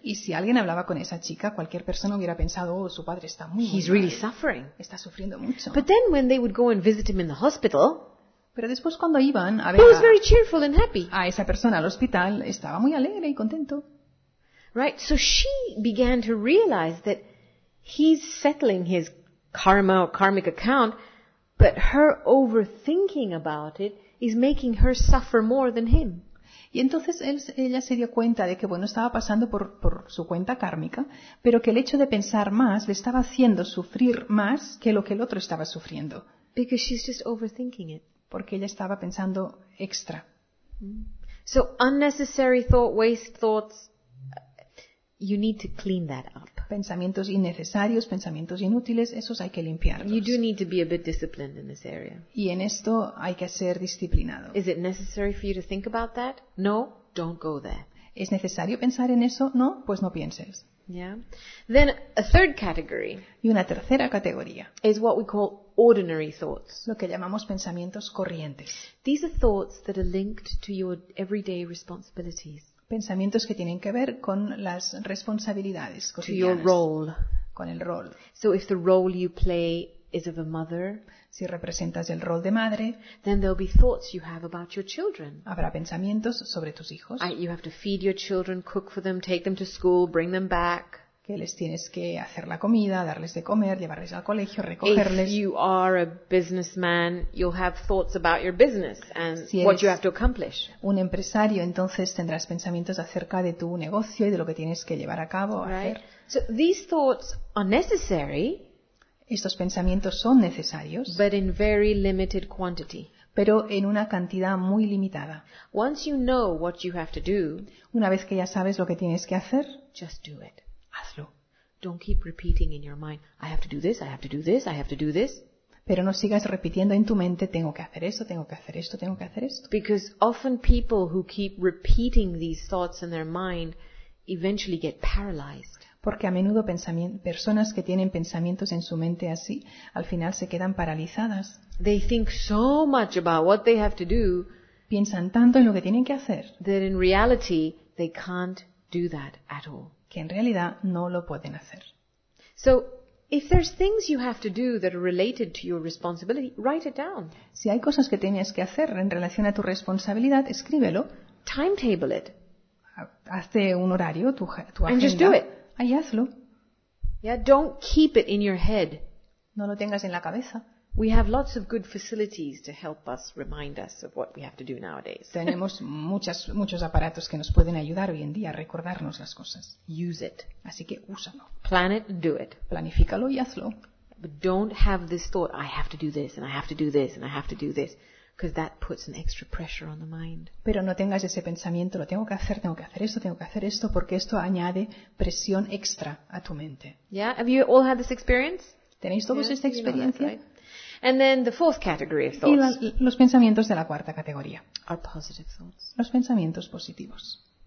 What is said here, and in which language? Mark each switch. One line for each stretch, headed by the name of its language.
Spanish: Y si alguien hablaba con esa chica, cualquier persona hubiera pensado, oh, su padre está muy mal.
English: He's really suffering.
Spanish: Está sufriendo mucho.
English: But then when they would go and visit him in the hospital.
Spanish: Pero después cuando iban a ver
English: very cheerful and happy.
Spanish: A esa persona al hospital, estaba muy alegre y contento.
English: Right, so she began to realize that he's settling his karma or karmic account, but her overthinking about it is making her suffer more than him.
Spanish: Y entonces ella se dio cuenta de que bueno, estaba pasando por su cuenta kármica, pero que el hecho de pensar más le estaba haciendo sufrir más que lo que el otro estaba sufriendo.
English: Because she's just overthinking it.
Spanish: Porque ella estaba pensando extra.
English: So unnecessary thought, waste thoughts, you need to clean that up.
Spanish: Pensamientos innecesarios, pensamientos inútiles, esos hay que limpiarlos.
English: You do need to be a bit disciplined in this area.
Spanish: Y en esto hay que ser disciplinado.
English: Is it necessary for you to think about that? No, don't go there.
Spanish: ¿Es necesario pensar en eso? No, pues no pienses.
English: Yeah. Then a third category.
Spanish: Y una tercera categoría.
English: Is what we call ordinary thoughts.
Spanish: Lo que llamamos pensamientos corrientes.
English: These are thoughts that are linked to your everyday responsibilities.
Spanish: Pensamientos que tienen que ver con las responsabilidades cotidianas.
English: To your role.
Spanish: Con el rol.
English: So if the role you play is of a mother,
Spanish: si representas el rol de madre,
English: then there'll be thoughts you have about your children.
Spanish: Habrá pensamientos sobre tus hijos.
English: You have to feed your children, cook for them, take them to school, bring them back.
Spanish: Que les tienes que hacer la comida, darles de comer, llevarles al colegio, recogerles.
English: If you are a businessman, you'll have thoughts about your business and what you have to accomplish.
Spanish: Si eres un empresario, entonces tendrás pensamientos acerca de tu negocio y de lo que tienes que llevar a cabo o hacer.
English: So these thoughts are necessary.
Spanish: Estos pensamientos son necesarios.
English: But in very limited quantity.
Spanish: Pero en una cantidad muy limitada.
English: Once you know what you have to do,
Spanish: una vez que ya sabes lo que tienes que hacer,
English: just do it.
Spanish: Hazlo.
English: Don't keep repeating in your mind, I have to do this, I have to do this, I have to do this.
Spanish: Pero no sigas repitiendo en tu mente, tengo que hacer esto, tengo que hacer esto, tengo que hacer esto.
English: Because often people who keep repeating these thoughts in their mind eventually get paralyzed.
Spanish: Porque a menudo personas que tienen pensamientos en su mente así, al final se quedan paralizadas.
English: They think so much about what they have to do.
Spanish: Piensan tanto en lo que tienen que hacer.
English: That in reality they can't do that at all.
Spanish: Que en realidad no lo pueden hacer.
English: So, if there's things you have to do that are related to your responsibility, write it down.
Spanish: Si hay cosas que tienes que hacer en relación a tu responsabilidad, escríbelo.
English: Timetable it.
Spanish: Hazte un horario, tu agenda.
English: And just do it.
Spanish: Ahí hazlo.
English: Yeah, don't keep it in your head.
Spanish: No lo tengas en la cabeza.
English: We have lots of good facilities to help us remind us of what we have to do nowadays.
Spanish: Tenemos muchos aparatos que nos pueden ayudar hoy en día a recordarnos las cosas.
English: Use it.
Spanish: Así que úsalo.
English: Plan it and do it.
Spanish: Planifícalo y hazlo.
English: But don't have this thought, I have to do this and I have to do this and I have to do this, because that puts an extra pressure on the mind.
Spanish: Pero no tengas ese pensamiento, lo tengo que hacer esto, tengo que hacer esto, porque esto añade presión extra a tu mente.
English: Yeah, have you all had this experience?
Spanish: ¿Tenéis todos esta experiencia?
English: You know, and then the fourth category of thoughts.
Spanish: Y los pensamientos de la cuarta categoría.
English: Are positive thoughts.
Spanish: Los pensamientos positivos.